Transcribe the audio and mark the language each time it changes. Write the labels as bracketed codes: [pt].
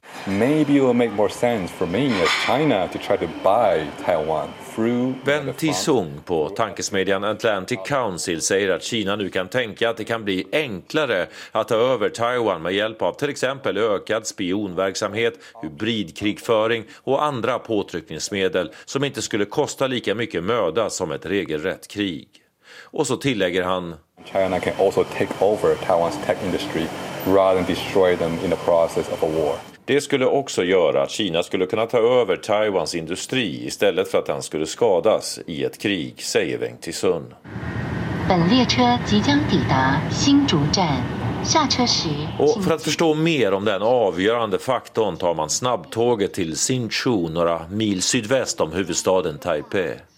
[en] Maybe it will make more sense for me as China to try to buy Taiwan through. [sv] Wen Tisung på tankesmedjan Atlantic Council säger att Kina nu kan tänka att det kan bli enklare att ta över Taiwan med hjälp av till exempel ökad spionverksamhet, hybridkrigföring och andra påtryckningsmedel som inte skulle kosta lika mycket möda som ett regelrätt krig. Och så tillägger han: [en] China can also take over Taiwan's tech industry rather than destroy them in the process of a war. [sv] Det skulle också göra att Kina skulle kunna ta över Taiwans industri istället för att den skulle skadas i ett krig, säger Wen Tisung. Och för att förstå mer om den avgörande faktorn tar man snabbtåget till Hsinchu, några mil sydväst om huvudstaden Taipei.